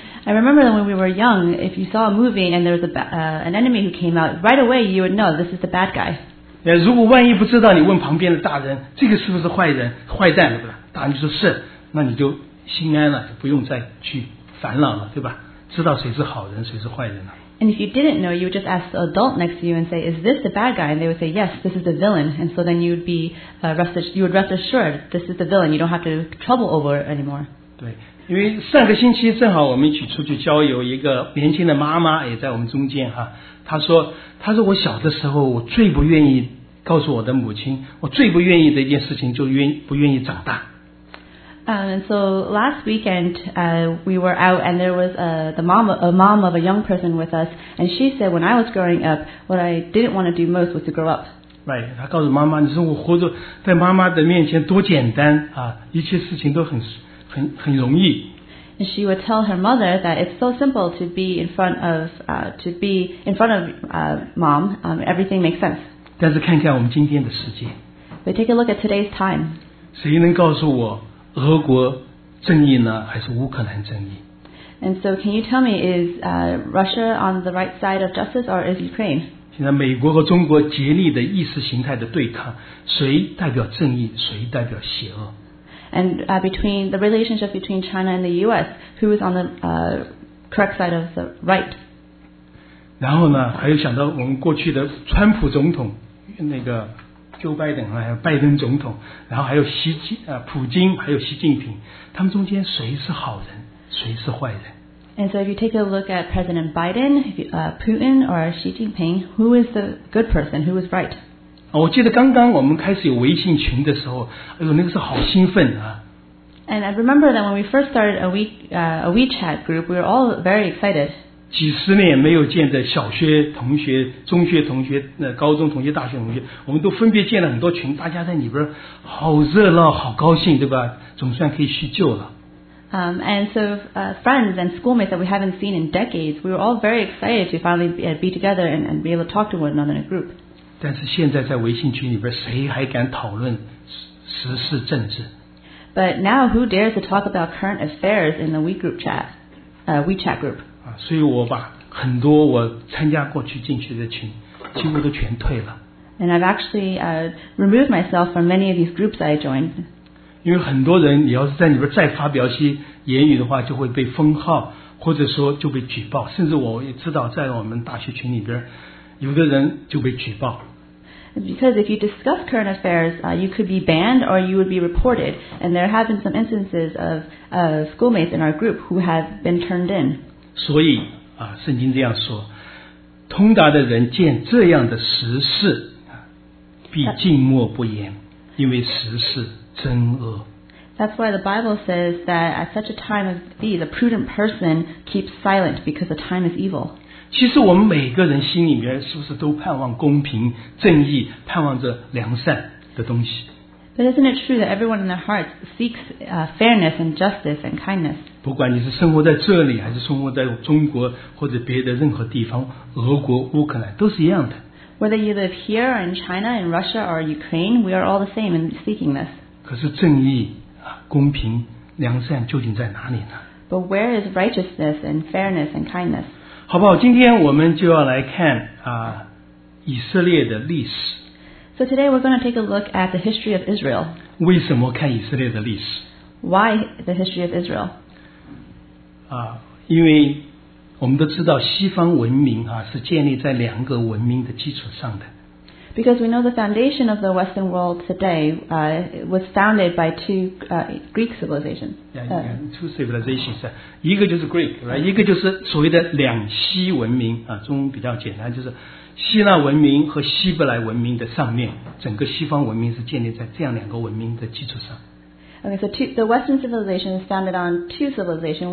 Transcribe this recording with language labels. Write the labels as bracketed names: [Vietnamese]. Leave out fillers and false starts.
[English] I remember that when we were young, if you saw a movie and there was an enemy who came out, right away you would know this is the bad guy. [Chinese] 如果万一不知道，你问旁边的大人，这个是不是坏人、坏蛋，对吧？大人就说是，那你就心安了，就不用再去烦恼了，对吧？知道谁是好人，谁是坏人了。 [English] And if you didn't know, you would just ask the adult next to you and say, "Is this the bad guy?" And they would say, "Yes, this is the villain." And so then you'd be rest assured, this is the villain. You don't have to trouble over it anymore. [Chinese] 对。因为上个星期正好我们一起出去郊游，一个年轻的妈妈也在我们中间哈。她说我小的时候，我最不愿意告诉我的母亲，我最不愿意的一件事情就不愿意长大。 [English] So last weekend, we were out and there was a mom of a young person with us, and she said, when I was growing up, what I didn't want to do most was to grow up. [Chinese] Right, 她告诉妈妈，你说我活着在妈妈的面前多简单啊，一切事情都很容易。 [English] And she would tell her mother that it's so simple to be in front of mom, everything makes sense. [Chinese] 但是看看我们今天的世界。 [English] But take a look at today's time. [Chinese] 谁能告诉我俄国正义呢还是乌克兰正义？ [English] And so can you tell me is Russia on the right side of justice or is Ukraine? [Chinese] 现在美国和中国竭力的意识形态的对抗，谁代表正义，谁代表邪恶？ [English] And between the relationship between China and the U.S., who is on the correct side of the right? [Chinese] 然后呢，还有想到我们过去的川普总统，那个 Joe Biden 还有拜登总统，然后还有普京，还有习近平，他们中间谁是好人，谁是坏人？ [English] And so, if you take a look at President Biden, Putin or Xi Jinping, who is the good person, who is right? [Chinese] 我记得刚刚我们开始有微信群的时候，哎呦，那个时候好兴奋啊！ [English] And I remember that when we first started a WeChat group, we were all very excited. [Chinese] 几十年没有见的小学同学、中学同学、高中同学、大学同学，我们都分别建了很多群，大家在里边好热闹、好高兴，对吧？总算可以叙旧了。 [English] And so friends and schoolmates that we haven't seen in decades, we were all very excited to finally be together and be able to talk to one another in a group. [Chinese] 但是现在在微信群里边，谁还敢讨论时事政治？ [English] But now who dares to talk about current affairs in the WeGroup chat, WeChat group? [Chinese] 所以我把很多我参加过去进去的群，几乎都全退了。 [English] And I've actually removed myself from many of these groups I joined. [Chinese] 因为很多人，你要是在里边再发表些言语的话，就会被封号，或者说就被举报。甚至我也知道，在我们大学群里边。有的人就被举报。 [English] Because if you discuss current affairs, you could be banned or you would be reported. And there have been some instances of schoolmates in our group who have been turned in. [Chinese] 所以圣经这样说，通达的人见这样的时事必静默不言，因为时事真恶。 [English] That's why the Bible says that at such a time as these, a prudent person keeps silent because the time is evil. [Chinese] 其实我们每个人心里面是不是都盼望公平、正义，盼望着良善的东西？ [English] But isn't it true that everyone in their hearts seeks fairness and justice and kindness? [Chinese] 不管你是生活在这里，还是生活在中国或者别的任何地方，俄国、乌克兰都是一样的。 [English] Whether you live here or in China, in Russia or Ukraine, we are all the same in seeking this. [Chinese] 可是正义公平良善究竟在哪里呢？ [English] But where is righteousness and fairness and kindness? [Chinese] 好不好，今天我们就要来看以色列的历史。 [English] So today we're going to take a look at the history of Israel. [Chinese] 为什么看以色列的历史？ [English] Why the history of Israel? [Chinese] 因为我们都知道西方文明是建立在两个文明的基础上的。 [English] Because we know the foundation of the Western world today was founded by two Greek civilizations. Two civilizations. [Chinese] 一个就是 [English] Greek, right? [Chinese] 一个就是所谓的两希文明中文比较简单，就是希腊文明和希伯来文明的上面，整个西方文明是建立在这样两个文明的基础上。 [English] Okay, so the Western civilization is founded on two civilizations.